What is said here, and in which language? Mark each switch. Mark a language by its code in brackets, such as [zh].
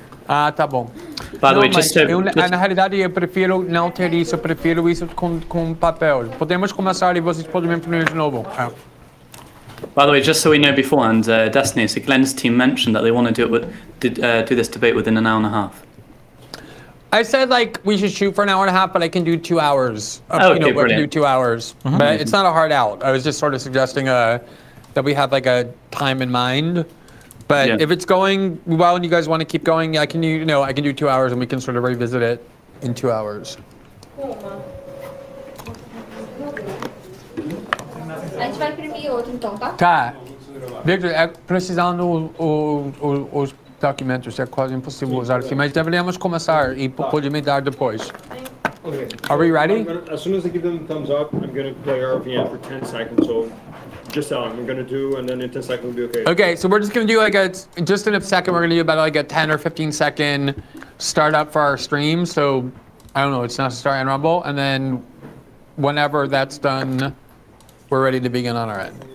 [pt] Ah, tá bom. Na realidade, eu prefiro não ter isso, eu prefiro isso com papel. Podemos começar e vocês podem me imprimir de novo. [en] By the way, just so we know beforehand, Destiny, so Glenn's team mentioned that they want to do this debate within an hour and a half. I said, like, we should shoot for an hour and a half, but I can do 2 hours. Brilliant. I can do 2 hours, mm-hmm. But it's not a hard out. I was just sort of suggesting that we have, like, a time in mind. But yeah. If it's going well and you guys want to keep going, I can, you know, I can do 2 hours and we can sort of revisit it in 2 hours. [pt] A gente vai imprimir outro então, tá? Tá. Victor, precisando os documentos, é quase impossível usar aqui, mas deveríamos começar e pode me dar depois. [en] Okay. Are we ready? As soon as they give them the thumbs up, I'm going to play RVM for 10 seconds. So just tell them I'm going to do, and then in 10 seconds we'll be okay. Okay, so we're just going to do like we're going to do about like a 10 or 15 second startup for our stream. So I don't know, it's not necessary on Rumble. And then whenever that's done, we're ready to begin on our end.